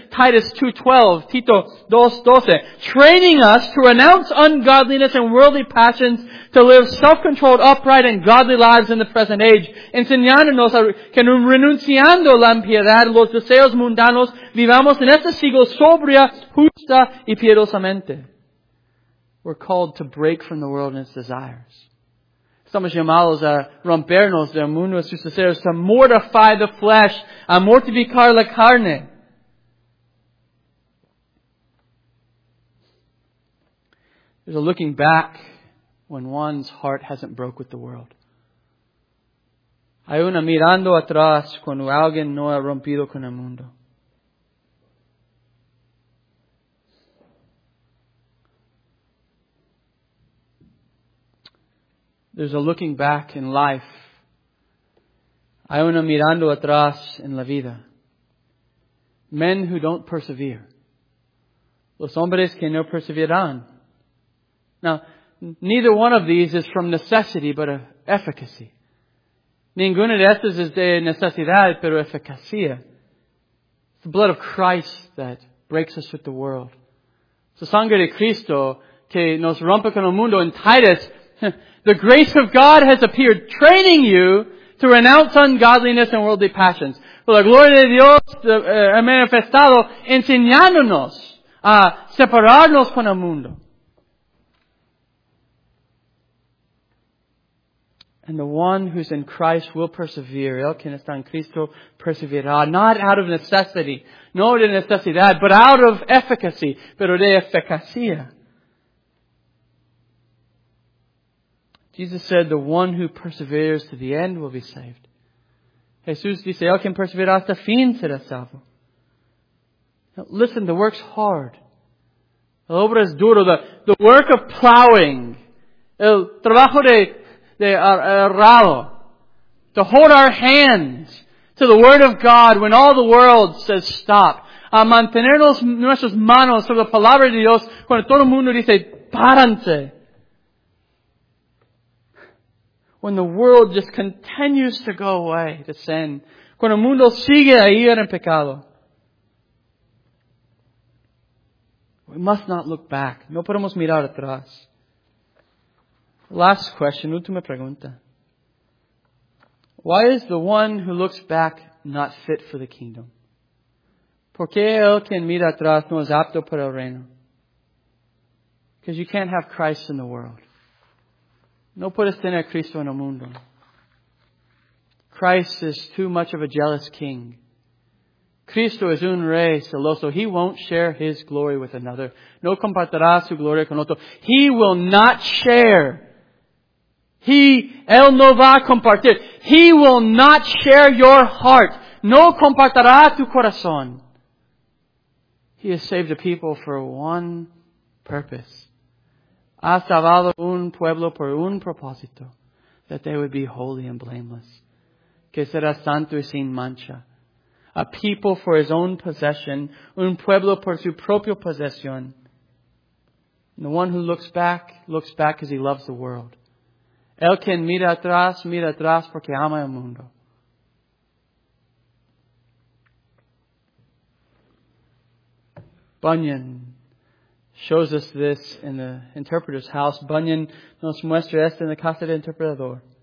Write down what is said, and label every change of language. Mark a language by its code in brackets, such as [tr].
[en] Titus 2:12, Tito 2:12, training us to renounce ungodliness and worldly passions, to live self-controlled, upright, and godly lives in the present age. [es] Enseñándonos que renunciando la impiedad, los deseos mundanos, vivamos en este siglo sobria, justa y piedosamente. [en] We're called to break from the world and its desires. [es] Estamos llamados a rompernos del mundo y sus deseos, [en] to mortify the flesh, [es] a mortificar la carne. [en] There's a looking back when one's heart hasn't broke with the world. [es] Hay una mirando atrás cuando alguien no ha rompido con el mundo. [en] There's a looking back in life. [es] Hay una mirando atrás en la vida. [en] Men who don't persevere. [es] Los hombres que no perseveran. [en] Now, neither one of these is from necessity, but of efficacy. [es] Ninguna de estas es de necesidad, pero eficacia. [en] It's the blood of Christ that breaks us with the world. [es] Es la sangre de Cristo que nos rompe con el mundo. [en] En Titus, the grace of God has appeared, training you to renounce ungodliness and worldly passions. [es] For la gloria de Dios ha manifestado, enseñándonos a separarnos con el mundo. [en] And the one who's in Christ will persevere. [es] El que está en Cristo perseverará. [en] Not out of necessity. [es] No de necesidad, [en] but out of efficacy. [es] Pero de eficacia. [en] Jesus said, the one who perseveres to the end will be saved. [es] Jesús dice, el que persevera hasta fin será salvo. [en] Now, listen, the work's hard. [es] La obra es duro. [en] The work of plowing. [es] El trabajo de arado. [en] To hold our hands to the word of God when all the world says stop. [es] A mantener nuestras manos sobre la palabra de Dios cuando todo el mundo dice, párense. [en] When the world just continues to go away to sin. [es] Cuando el mundo sigue a ir en pecado. [en] We must not look back. [es] No podemos mirar atrás. [en] Last question, [es] última pregunta. [en] Why is the one who looks back not fit for the kingdom? [es] ¿Por qué el que mira atrás no es apto para el reino? [en] Because you can't have Christ in the world. [es] No puedes tener a Cristo en el mundo. [en] Christ is too much of a jealous king. [es] Cristo es un rey celoso. [en] He won't share his glory with another. [es] No compartirá su gloria con otro. [en] He will not share. [es] Él no va a compartir. [en] He will not share your heart. [es] No compartirá tu corazón. [en] He has saved a people for one purpose. [es] Ha salvado un pueblo por un propósito, [en] that they would be holy and blameless, [es] que será santo y sin mancha. [en] A people for his own possession, [es] un pueblo por su propia posesión. [en] And the one who looks back because he loves the world. [es] El que mira atrás porque ama el mundo. [en] Bunyan shows us this in the interpreter's house. [es] Bunyan nos muestra esto en la casa del interpretador.